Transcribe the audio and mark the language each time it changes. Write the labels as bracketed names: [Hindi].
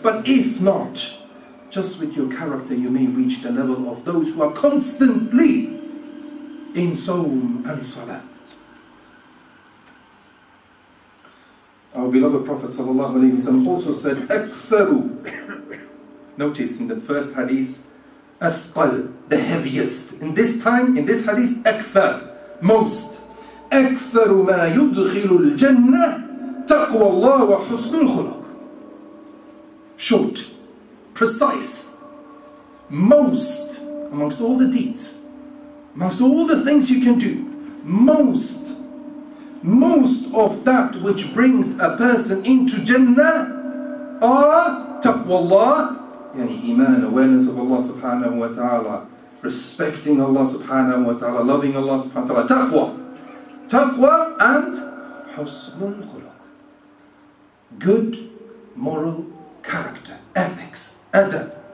[English] But if not, just with your character, you may reach the level of those who are constantly in Sawm and Salah. Our beloved Prophet sallallahu alayhi wa sallam also said, أكثروا. Notice in the first hadith, أثقل, the heaviest. In this time, in this hadith, أكثر, most. [Arabic] أكثر ما يدخل الجنة تقوى الله وحسن الخلق. [English] Short, precise, most amongst all the deeds, amongst all the things you can do, most of that which brings a person into Jannah are [Arabic] تقوى الله, يعني إيمان, [English] awareness of Allah سبحانه وتعالى, respecting Allah سبحانه وتعالى, loving Allah سبحانه وتعالى, Taqwa and husnul khuluq, good moral character, ethics, adab.